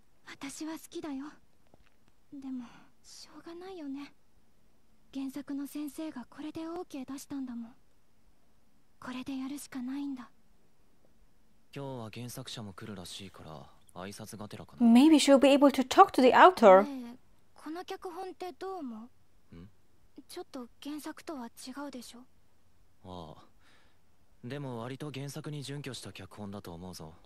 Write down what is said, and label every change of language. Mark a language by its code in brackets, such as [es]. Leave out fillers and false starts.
[ja] 私は好きだよ。でもしょうがないよね。 原作の先生がこれでOK出したんだもん。これでやるしかないんだ。今日は原作者も来るらしいから、挨拶がてらかな。 [en] Maybe she'll be able to talk to the author. [ja] この脚本ってどう思う？ん？ちょっと原作とは違うでしょ？ああ。でも割と原作に準拠した脚本だと思うぞ。